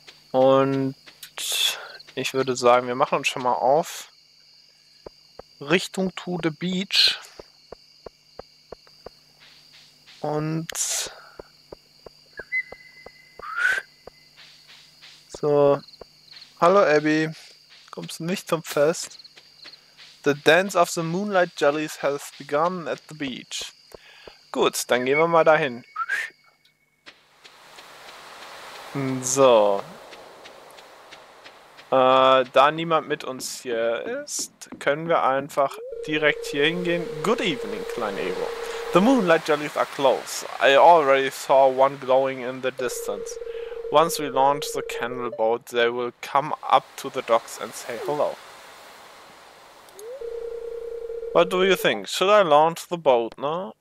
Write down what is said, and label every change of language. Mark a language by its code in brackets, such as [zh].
[de] Und ich würde sagen, wir machen uns schon mal auf Richtung [en] to the beach. [de] Und so. Hallo Abby, kommst du nicht zum Fest? [en] The Dance of the Moonlight Jellies has begun at the beach. [de] Gut, dann gehen wir mal dahin. So. Da niemand mit uns hier ist, können wir einfach direkt hier hingehen. [en] Good evening, kleine Evo. The moonlight jellies are close. I already saw one glowing in the distance. Once we launch the candle boat, they will come up to the docks and say hello. What do you think? Should I launch the boat now?